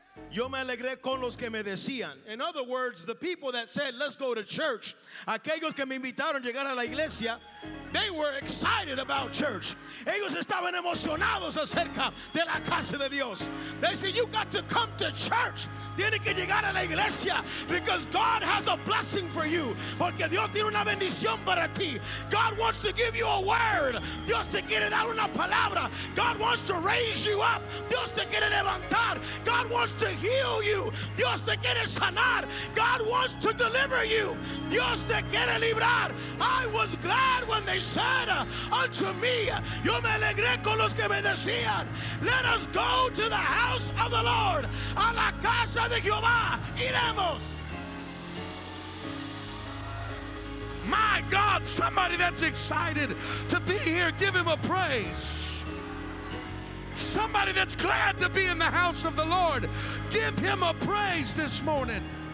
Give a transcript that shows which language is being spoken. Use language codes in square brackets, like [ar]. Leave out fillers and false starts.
[es] Yo me alegré con los que me decían. [en] In other words, the people that said, let's go to church. [es] Aquellos que me invitaron a llegar a la iglesia. [en] They were excited about church. [es] Ellos estaban emocionados acerca de la casa de Dios. [en] They said, you got to come to church. [es] Tiene que llegar a la iglesia. [en] Because God has a blessing for you. [es] Porque Dios tiene una bendición para ti. [en] God wants to give you a word. [es] Dios te quiere dar una palabra. [en] God wants to raise you up. [es] Dios te quiere levantar. [en] God wants to heal you. [es] Dios te quiere sanar. [en] God wants to deliver you. [es] Dios te quiere librar. [en] I was glad when they said unto me. [es] Yo me alegré con los que me decían. [en] Let us go to the house of the Lord. [es] A la casa de Jehová iremos. [en] My God, somebody that's excited to be here, give him a praise. Somebody that's glad to be in the house of the Lord, give him a praise this morning.